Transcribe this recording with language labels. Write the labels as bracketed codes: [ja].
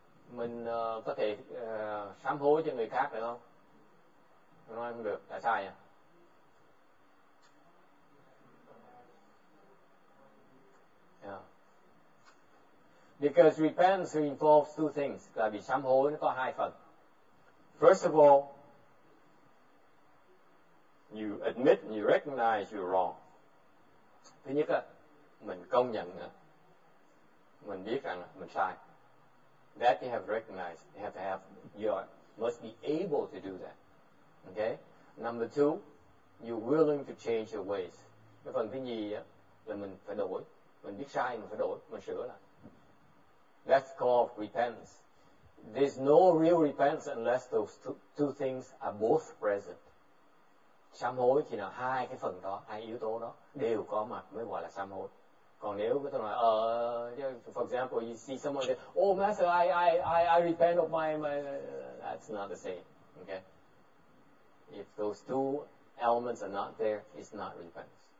[vi] Mình có thể sám hối cho người khác được không? Nói không được, tại sao nhỉ? [en] Because repentance involves two things. [vi] Tại vì sám hối nó có hai phần. [en] First of all, you admit and you recognize you're wrong. [vi] Thứ nhất là mình công nhận, mình biết rằng mình sai. [en] That you have recognized, you have to have, you are, must be able to do that. Okay. Number two, you're willing to change your ways. [vi] Cái phần thứ nhì là mình phải đổi, mình biết sai mình phải đổi, mình sửa lại. [en] That's called repentance. There's no real repentance unless those two things are both present. [vi] Sám hối chỉ là hai cái phần đó, hai yếu tố đó đều có mặt mới gọi là sám hối. Còn nếu tôi nói, [en] for example, you see someone say, "Oh, master, I repent of my," that's not the same. Okay. If those two elements are not there, it's not repentance.